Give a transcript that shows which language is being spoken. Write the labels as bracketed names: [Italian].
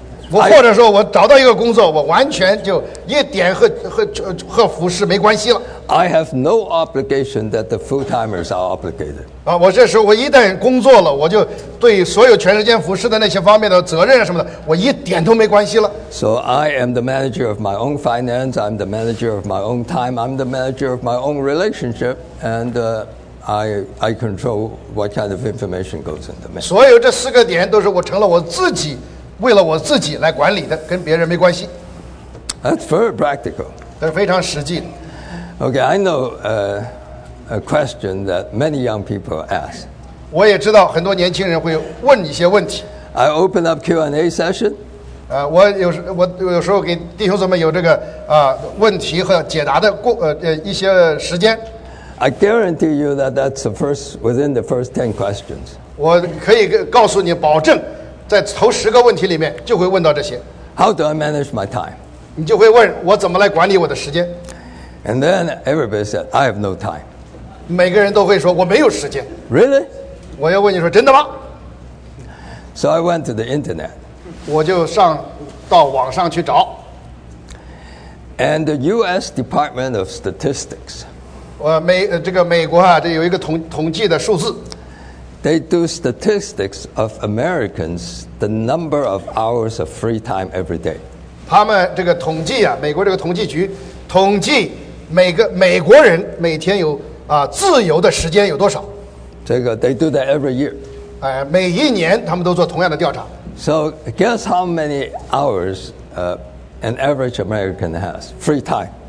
[Chinese] 或者说我找到一个工作，我完全就一点和服侍没关系了。 [English] I have no obligation that the full-timers are obligated. [Chinese] 啊，我这时候我一旦工作了，我就对所有全时间服侍的那些方面的责任什么的，我一点都没关系了。 [English] So I am the manager of my own finance. I'm the manager of my own time. I'm the manager of my own relationship. And I control what kind of information goes in the mail. [Chinese] 所有这四个点都是我成了我自己。为了我自己来管理的，跟别人没关系。 [English] That's very practical. [Chinese] 这是非常实际的。 [English] Okay, I know a question that many young people ask. [Chinese] 我也知道很多年轻人会问一些问题。 [English] I open up Q&A session. [Chinese] 我有时候给弟兄们有这个问题和解答的一些时间。 [English] I guarantee you that that's the first within the first 10 questions. [Chinese] 我可以告诉你保证。在头十个问题里面就会问到这些。 [English] How do I manage my time? [Chinese] 你就会问我怎么来管理我的时间。 [English] And then everybody said, I have no time. [Chinese] 每个人都会说我没有时间。 [English] Really? [Chinese] 我要问你说真的吗？ [English] So I went to the internet. [Chinese] 我就上到网上去找。 [English] And the US Department of Statistics. [Chinese] 这个美国啊这有一个统计的数字。 [English] They do statistics of Americans, the number of hours of free time every day. [Chinese] 他们这个统计啊，美国这个统计局统计每个美国人每天有自由的时间有多少？ [English] 这个 they do that every year. [Chinese] 每一年他们都做同样的调查。 [English] So guess how many hours an average American has free time?